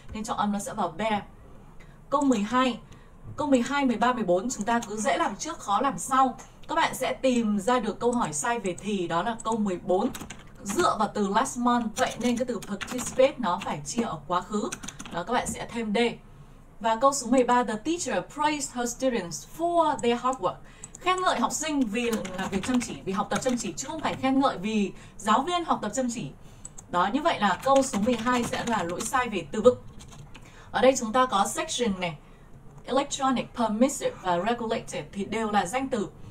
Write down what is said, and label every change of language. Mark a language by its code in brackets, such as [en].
[vi] Nên trọng âm nó sẽ vào bear. Câu 12, câu 12, 13, 14 chúng ta cứ dễ làm trước, khó làm sau. Các bạn sẽ tìm ra được câu hỏi sai về thì đó là câu 14. Dựa vào từ last month, vậy nên cái từ participate nó phải chia ở quá khứ. Đó, các bạn sẽ thêm D. Và câu số 13, [en] the teacher praised her students for their hard work. [vi] Khen ngợi học sinh vì làm việc chăm chỉ, vì học tập chăm chỉ, chứ không phải khen ngợi vì giáo viên học tập chăm chỉ. Đó, như vậy là câu số 12 sẽ là lỗi sai về từ vựng. Ở đây chúng ta có section này, electronic, permissive và regulated thì đều là danh từ.